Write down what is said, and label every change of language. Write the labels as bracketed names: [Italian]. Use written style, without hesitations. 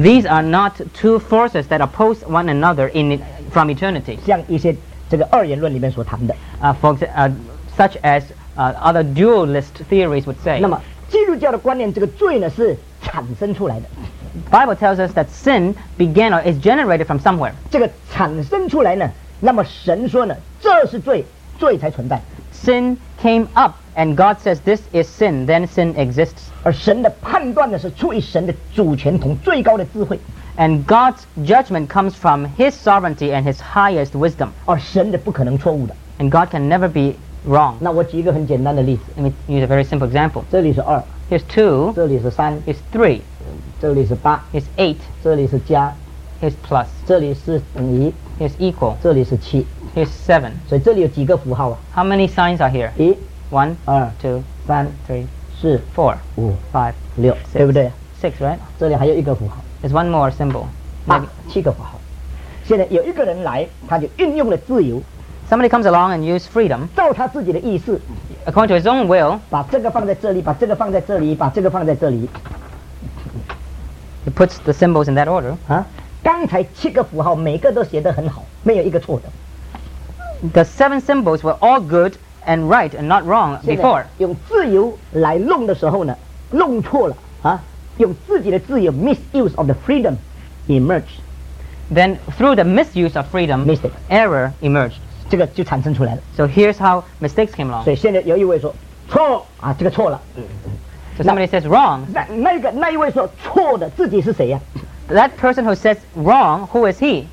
[English] These are not two forces that oppose one another in from eternity. [Chinese] 像一些这个二元论里面所谈的， [English] such as other dualist theories would say. [Chinese] 那么基督教的观念，这个罪呢是产生出来的。 [English] Bible tells us that sin began or is generated from somewhere. [Chinese] 这个产生出来呢，那么神说呢，这是罪，罪才存在。 [English] Sin came up, and God says this is sin. Then sin exists. [Chinese] 而神的判断呢，是出于神的主权同最高的智慧。 [English] And God's judgment comes from His sovereignty and His highest wisdom. [Chinese] 而神的不可能错误的。 [English] And God can never be wrong. [Chinese] 那我举一个很简单的例子。 [English] Let me use a very simple example. [Chinese] 这里是二。 [English] Here's two. [Chinese] 这里是三。 [English] Here's three. [Chinese] 这里是八, [English] is 8. [Chinese] 这里是加, [English] is plus. [Chinese] 这里是等于, [English] is equal. [Chinese] 这里是七, [English] is 7. [Chinese] 所以这里有几个符号啊? [English] How many signs are here? [Chinese] 一, [English] 1, [Chinese] 二, [English] 2, [Chinese] 三, [English] 3, [Chinese] 四, [English] 4, [Chinese] 五, [English] 5, [Chinese] 6, [English] 6, [Chinese] 对不对? [English] 6, right? [Chinese] 这里还有一个符号。 [English] There's one more symbol. [Chinese] 八, 七个符号。现在有一个人来, 他就运用了自由。 [English] Somebody comes along and uses freedom. [Chinese] 照他自己的意思, [English] according to his own will. [Chinese] 把这个放在这里, 把这个放在这里, 把这个放在这里。 [English] He puts the symbols in that order. [Chinese] 啊, 刚才七个符号, 每个都写得很好, 没有一个错的。 [English] The seven symbols were all good and right and not wrong before. [Chinese] 用自由来弄的时候呢, 弄错了, 啊, 用自己的自由, [English] misuse of the freedom emerged. Then through the misuse of freedom, mistake. Error emerged. [Chinese] 这个就产生出来了。 [English] So here's how mistakes came along. [Chinese] 所以现在有一位说, 错, 啊, 这个错了。 [English] So somebody says wrong. [Chinese] 那一位说错的自己是谁呀? [English] That person who says wrong, who is he?